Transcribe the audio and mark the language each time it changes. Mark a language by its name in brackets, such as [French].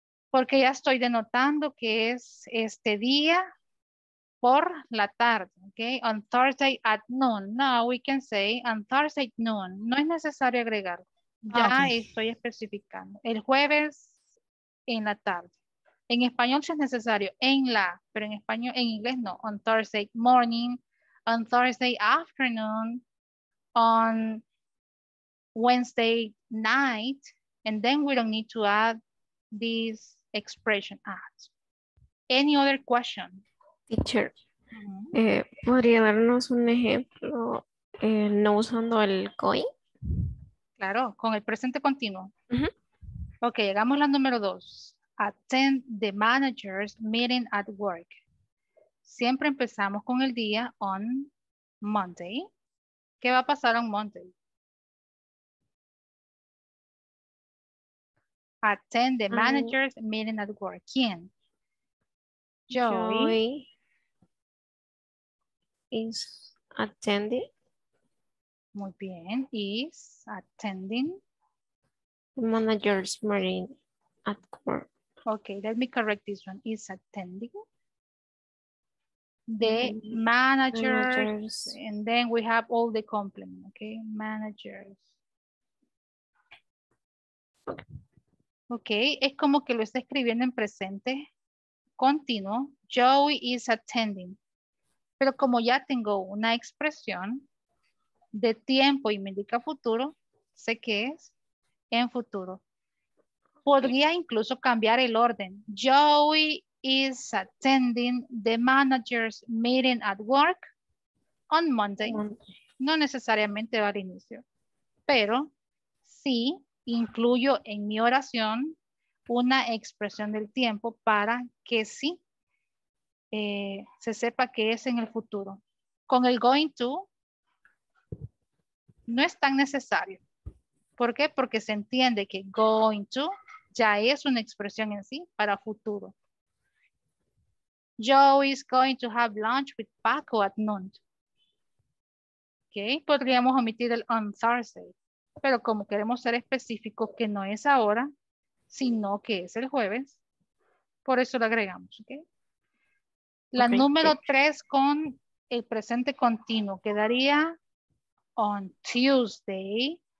[Spanish] Porque ya estoy denotando que es este día por la tarde. [English] ¿Ok? On Thursday at noon. Now we can say on Thursday noon. [Spanish] No es necesario agregarlo. Ya estoy especificando. El jueves en la tarde. En español sí es necesario, en la, pero en español, en inglés no. [English] On Thursday morning, on Thursday afternoon, on Wednesday night, and then we don't need to add this expression at. Any other question? [Spanish] Teacher, ¿podría darnos un ejemplo no usando el going? Claro, con el presente continuo. Ok, llegamos a la número dos. [English] Attend the manager's meeting at work. [Spanish] Siempre empezamos con el día [English] on Monday. [Spanish] ¿Qué va a pasar [English] on Monday? Attend the manager's meeting at work. ¿Quién? Joey. Is attending. [Spanish] Muy bien. [English] Is attending. The manager's meeting at work. Okay, let me correct this one. Is attending the managers, and then we have all the complement. Okay, managers. [Spanish] Okay, es como que lo está escribiendo en presente continuo. Joey [English] is attending, [Spanish] pero como ya tengo una expresión de tiempo y me indica futuro, sé que es en futuro. Podría incluso cambiar el orden. Joey is attending the manager's meeting at work on Monday. No necesariamente va al inicio. Pero sí incluyo en mi oración una expresión del tiempo para que sí se sepa que es en el futuro. Con el going to no es tan necesario. ¿Por qué? Porque se entiende que going to ya es una expresión en sí para futuro. [English] Joe is going to have lunch with Paco at noon. [Spanish] Okay, podríamos omitir el [English] on Thursday, [Spanish] pero como queremos ser específicos que no es ahora, sino que es el jueves, por eso lo agregamos. Okay. La número tres con el presente continuo quedaría on Tuesday.